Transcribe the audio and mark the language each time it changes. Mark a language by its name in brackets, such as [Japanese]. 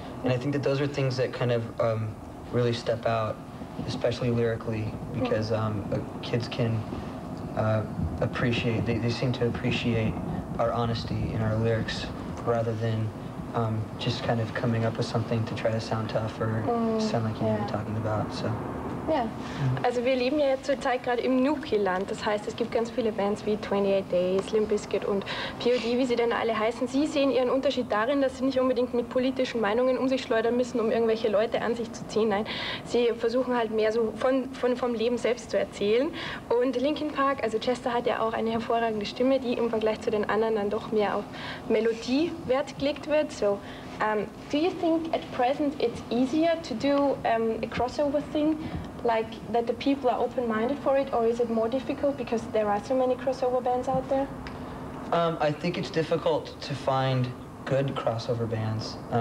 [English] And I think that those are things that kind of really step out, especially lyrically, because kids can appreciate, they seem to appreciate our honesty in our lyrics rather than just kind of coming up with something to try to sound tough or sound like you know what you're talking about, so. [German] Ja, also wir leben ja zurzeit gerade im Nuki-Land. Das heißt, es gibt ganz viele Bands wie 28 Days, Limp Bizkit und POD, wie sie denn alle heißen. Sie sehen ihren Unterschied darin, dass sie nicht unbedingt mit politischen Meinungen um sich schleudern müssen, um irgendwelche Leute an sich zu ziehen. Nein, sie versuchen halt mehr so vom Leben selbst zu erzählen. Und Linkin Park, also Chester hat ja auch eine hervorragende Stimme, die im Vergleich zu den anderen dann doch mehr auf Melodie Wert gelegt wird. So. [English] Do you think at present it's easier to do a crossover thing, like that the people are open-minded for it, or is it more difficult because there are so many crossover bands out there? I think it's difficult to find good crossover bands.